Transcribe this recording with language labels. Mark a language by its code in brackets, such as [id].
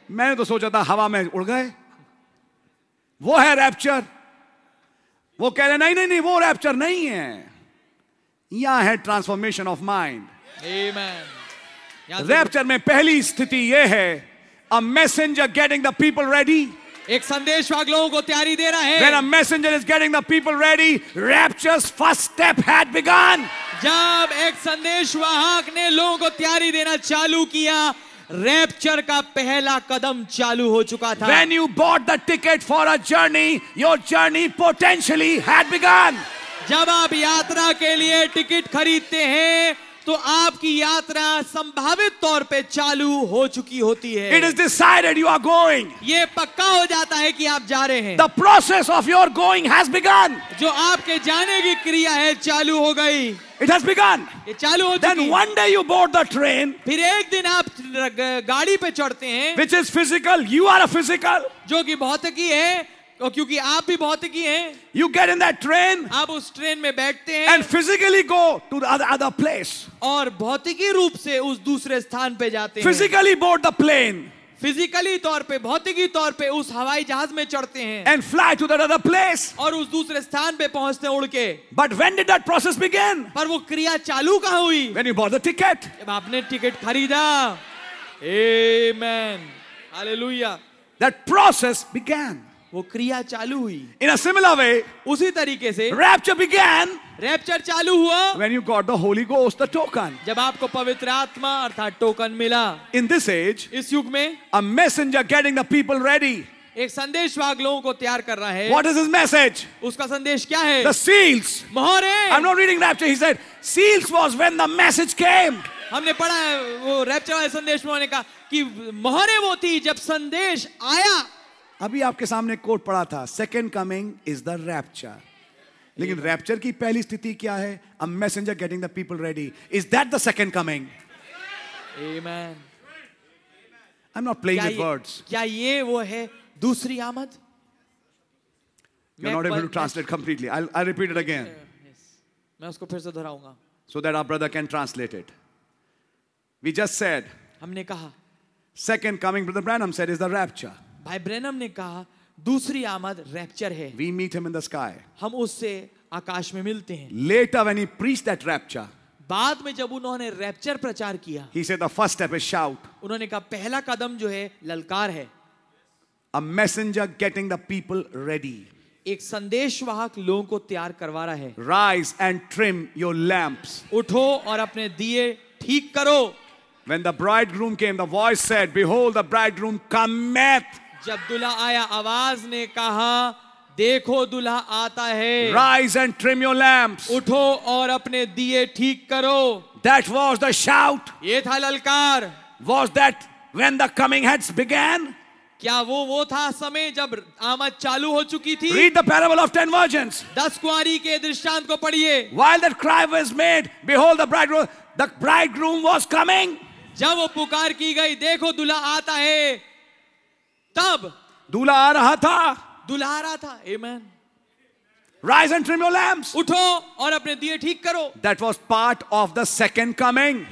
[hi] मैंने तो सोचा था हवा में उड़ गए, वो है रैप्चर, वो कह रहे नहीं नहीं नहीं वो रैप्चर नहीं है, यहां है [en] Transformation of mind. Amen. [hi] Rapture में पहली स्थिति ये है, [en] a messenger getting the people ready, [hi] एक संदेश वाहक लोगों को तैयारी दे रहा है। [en] When a messenger is getting the people ready, rapture's first step had begun. [hi] जब एक संदेश वाहक ने लोगों को तैयारी देना चालू किया, रैप्चर का पहला कदम चालू हो चुका था। [en] When you bought the ticket for a journey, your journey potentially had begun. [hi] जब आप यात्रा के लिए टिकट खरीदते हैं तो आपकी यात्रा संभावित तौर पे चालू हो चुकी होती है। [en] It is decided you are going. [hi] ये पक्का हो जाता है कि आप जा रहे हैं। [en] The process of your going has begun. [hi] जो आपके जाने की क्रिया है चालू हो गई। [en] It has begun. [hi] ये चालू हो चुकी। [en] Then one day you board the train. [hi] फिर एक दिन आप गाड़ी पे चढ़ते हैं। [en] Which is physical. You are a physical. [hi] जो कि भौतिकी है, क्योंकि आप भी भौतिकी हैं। [en] You get in that train, [hi] आप उस ट्रेन में बैठते हैं, [en] and physically go to the other place, [hi] और भौतिकी रूप से उस दूसरे स्थान पे जाते हैं, [en] physically board the plane, [hi] physically तौर पे, भौतिकी तौर पे उस हवाई जहाज में चढ़ते हैं, [en] and fly to the other place, [hi] और उस दूसरे स्थान पे पहुंचते हैं उड़ के। [en] But when did that process begin? [hi] पर वो क्रिया चालू कहां हुई? [en] When you bought the ticket, [hi] जब आपने टिकट खरीदा। Amen, hallelujah, [en] that process began. [hi] वो क्रिया चालू हुई। [en] In a similar way, [hi] उसी तरीके से [en] rapture began, [hi] rapture चालू हुआ, [en] when you got the Holy Ghost, the token, [hi] जब आपको पवित्र आत्मा अर्थात टोकन मिला। [en] In this age, [hi] इस युग में, [en] a messenger getting the people ready, [hi] एक संदेश वाहक लोगों को तैयार कर रहा है। [en] What is his message? [hi] उसका संदेश क्या है? [en] The seals, [hi] मोहरे। [en] I'm not reading rapture, he said seals was when the message came. [hi] हमने पढ़ा है वो rapture वाले संदेश में उन्होंने कहा कि मोहरे वो थी जब संदेश आया। अभी आपके सामने कोट पढ़ा था, [en] Second coming is the rapture. [hi] लेकिन रैप्चर की पहली स्थिति क्या है? [en] A messenger getting the people ready, is that the second coming? Amen. I am not playing with words. [hi] क्या ये वो है दूसरी आमद? [en] You are not able to translate completely, I repeat it again. [hi] मैं उसको फिर से दोहराऊंगा [en] So that our brother can translate it. We just said, [hi] हमने कहा [en] Second coming brother Branham said is the rapture. [hi] भाई ब्रैनम ने कहा दूसरी आमद रैप्चर है। [en] We meet him in the sky. [hi] हम उससे आकाश में मिलते हैं। [en] Later when he preached that rapture, [hi] बाद में जब उन्होंने रैप्चर प्रचार किया, [en] he said the first step is shout. [hi] उन्होंने कहा पहला कदम जो है ललकार है। [en] A messenger getting the people ready. [hi] एक संदेश वाहक लोगों को तैयार करवा रहा है। [en] Rise and trim your lamps. [hi] उठो और अपने दिए ठीक करो। [en] When the bridegroom came, the voice said, "Behold, the bridegroom cometh." [hi] जब दूल्हा आया, आवाज ने कहा, देखो दूल्हा आता है। [en] Rise and trim your lamps. [hi] उठो और अपने दिए ठीक करो। [en] That was the shout. [hi] ये था ललकार। [en] Was that when the coming had began? [hi] क्या वो था समय जब आमद चालू हो चुकी थी? [en] Read the parable of ten virgins. [hi] दस कुंवारी के दृष्टांत को पढ़िए। [en] While that cry was made, behold, the bridegroom was coming. [hi] जब वो पुकार की गई, देखो दूल्हा आता है, तब दूल्हा आ रहा था। दूल्हा आ रहा था। Amen. [en] Rise and trim your lamps. [hi] उठो और अपने दिए ठीक करो। [en] That was part of the second coming.